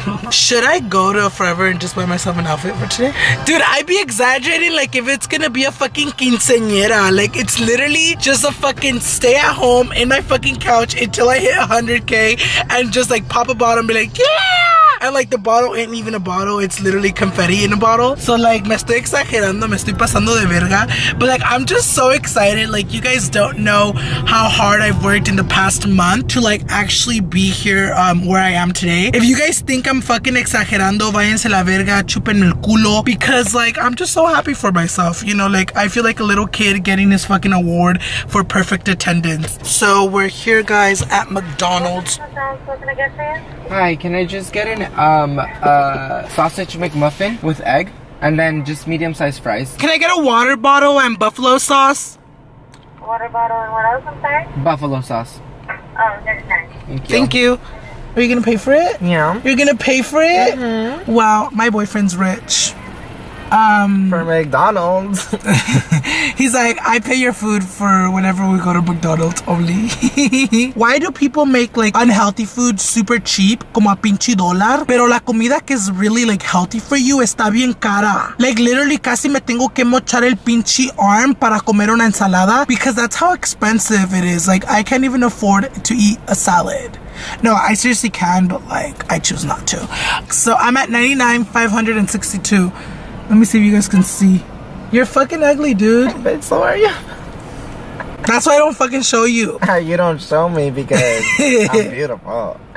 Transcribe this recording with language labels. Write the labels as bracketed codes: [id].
[en] Should I go to Forever and just buy myself an outfit for today? Dude, I'd be exaggerating like if it's gonna be a fucking quinceañera. Like it's literally just a fucking stay at home in my fucking couch until I hit 100K and just like pop a bottle and be like, yeah! And like the bottle ain't even a bottle. It's literally confetti in a bottle. So like, [es] me estoy exagerando, me estoy pasando de verga. [en] But like, I'm just so excited. Like you guys don't know how hard I've worked in the past month to like actually be here where I am today. If you guys think I'm fucking exagerando, [es] váyanse la verga, chupen el culo. [en] Because, like, I'm just so happy for myself. You know, like, I feel like a little kid getting this fucking award for perfect attendance. So, we're here, guys, at McDonald's. Hi, can I just get an sausage McMuffin with egg? And then just medium-sized fries. Can I get a water bottle and buffalo sauce? Water bottle and what else, I'm sorry? Buffalo sauce. Oh, that's nice. Thank you. Thank you. Are you gonna pay for it? Yeah. You're gonna pay for it? Mm-hmm. Wow, my boyfriend's rich. For McDonald's. He's like, I pay your food for whenever we go to McDonald's only. Why do people make like unhealthy food super cheap? [es] Como a pinche dólar. Pero la comida que es [en] really like healthy for you [es] está bien cara. [en] Like literally [es] casi me tengo que mochar el pinche [en] arm [es] para comer una ensalada. [en] Because that's how expensive it is. Like I can't even afford to eat a salad. No, I seriously can, but like I choose not to. So I'm at 99,562. Let me see if you guys can see. You're fucking ugly, dude. I bet, so are you. That's why I don't fucking show you. You don't show me because I'm beautiful.